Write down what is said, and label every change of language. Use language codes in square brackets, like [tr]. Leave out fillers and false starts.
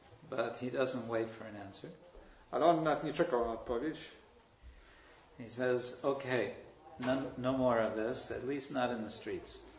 [en] But he doesn't wait for an answer. [pl] Ale on nawet nie czekał na odpowiedź. [en] He says, okay, no more of this, at least not in the streets.